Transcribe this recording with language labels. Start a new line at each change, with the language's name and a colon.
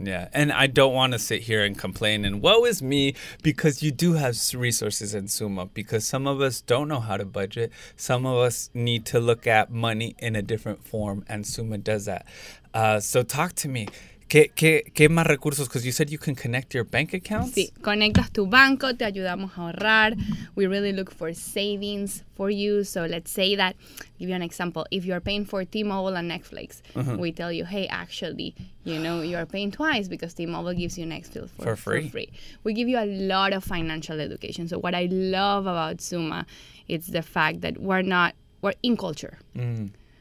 English: Yeah, and I don't want to sit here and complain and woe is me, because you do have resources in SUMA, because some of us don't know how to budget. Some of us need to look at money in a different form, and SUMA does that. So talk to me.
Spanish: ¿Qué más recursos?
English: Because you said you can connect your bank accounts.
Spanish: Sí, conectas tu banco, te ayudamos a ahorrar.
English: We really look for savings for you. So let's say that, give you an example. If you're paying for T-Mobile and Netflix, we tell you, hey, actually, you know, you're paying twice because T-Mobile gives you Netflix for free. We give you a lot of financial education. So what I love about SUMA, it's the fact that we're in culture. Mm.